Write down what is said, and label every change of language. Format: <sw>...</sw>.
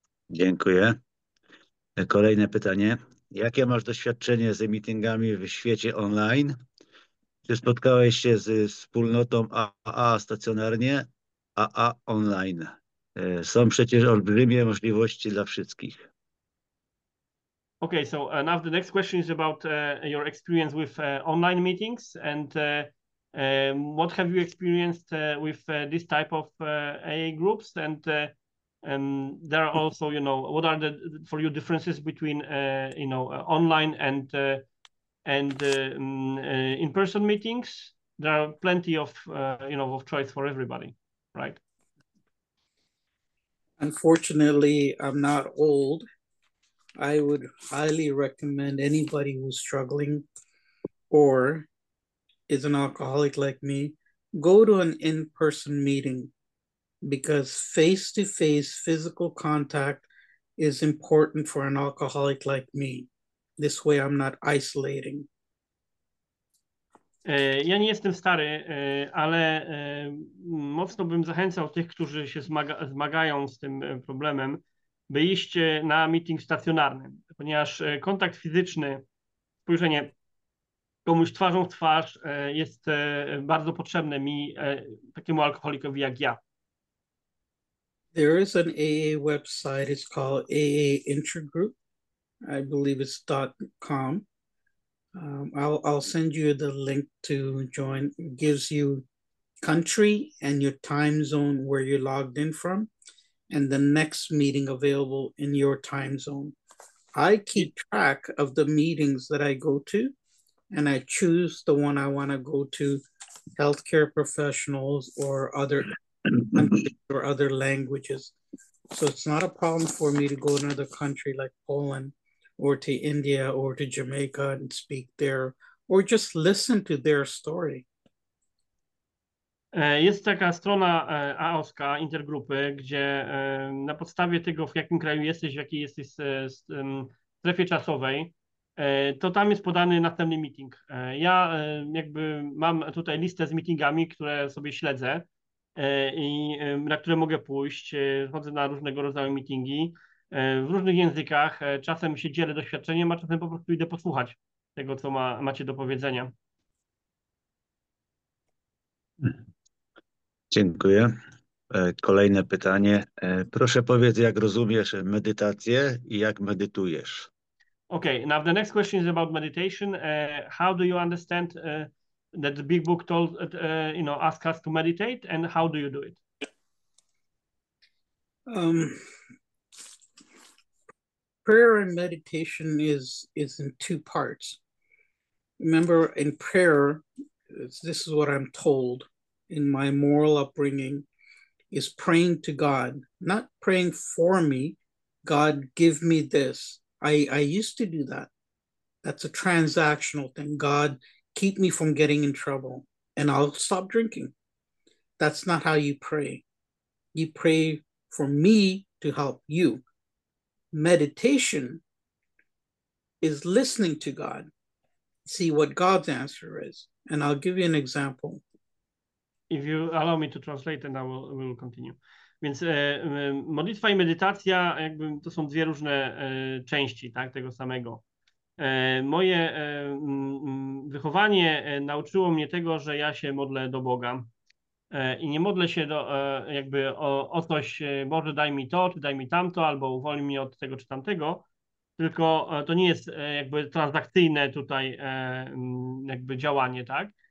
<pl>Dziękuję. Kolejne pytanie. Jakie masz doświadczenie z meetingami w świecie online? Czy spotkałeś się ze wspólnotą AA stacjonarnie, AA online? Są przecież olbrzymie możliwości dla wszystkich.</pl> <en>Okay, so now the next question is about your experience with online meetings. And What have you experienced with this type of AA groups? And there are also, you know, what are the for you differences between you know, online and in-person meetings? There are plenty of you know, of choice for everybody, right? Unfortunately, I'm not old. I would highly recommend anybody who's struggling or is an alcoholic like me, go to an in-person meeting, because face-to-face physical contact is important for an alcoholic like me. This way I'm not isolating.</en> <pl>Ja nie jestem stary, ale mocno bym zachęcał tych, którzy się zmagają z tym problemem, by iść na meeting stacjonarny, ponieważ kontakt fizyczny, spojrzenie komuś twarzą w twarz jest bardzo potrzebne mi, takiemu alkoholikowi jak ja.</pl> <en>There is an AA website, it's called AA Intergroup. I believe it's .com. I'll send you the link to join. It gives you country and your time zone where you're logged in from, and the next meeting available in your time zone. I keep track of the meetings that I go to, and I choose the one I want to go to, healthcare professionals or other countries or other languages. So it's not a problem for me to go to another country like Poland or to India or to Jamaica and speak there or just listen to their story.</en> <pl>Jest taka strona AOSKA, intergrupy, gdzie na podstawie tego, w jakim kraju jesteś, w jakiej jesteś strefie czasowej, to tam jest podany następny meeting. Ja jakby mam tutaj listę z meetingami, które sobie śledzę i na które mogę pójść. Chodzę na różnego rodzaju meetingi w różnych językach. Czasem się dzielę doświadczeniem, a czasem po prostu idę posłuchać tego, co macie do powiedzenia. Dziękuję. Kolejne pytanie. Proszę powiedz, jak rozumiesz medytację i jak medytujesz?</pl> <en>Okay, now the next question is about meditation. How do you understand that the Big Book told, you know, ask us to meditate, and how do you do it? Prayer and meditation is in two parts. Remember, in prayer, this is what I'm told in my moral upbringing, is praying to God, not praying for me. God, give me this. I used to do that. That's a transactional thing. God, keep me from getting in trouble and I'll stop drinking. That's not how you pray. You pray for me to help you. Meditation is listening to God. See what God's answer is. And I'll give you an example. If you allow me to translate, and we will continue.</en> <pl>Więc modlitwa i medytacja, jakby to są dwie różne części, tak, tego samego. Moje wychowanie nauczyło mnie tego, że ja się modlę do Boga i nie modlę się do, jakby o coś, Boże, daj mi to, czy daj mi tamto, albo uwolnij mnie od tego czy tamtego, tylko to nie jest jakby transakcyjne tutaj jakby działanie, tak?</pl>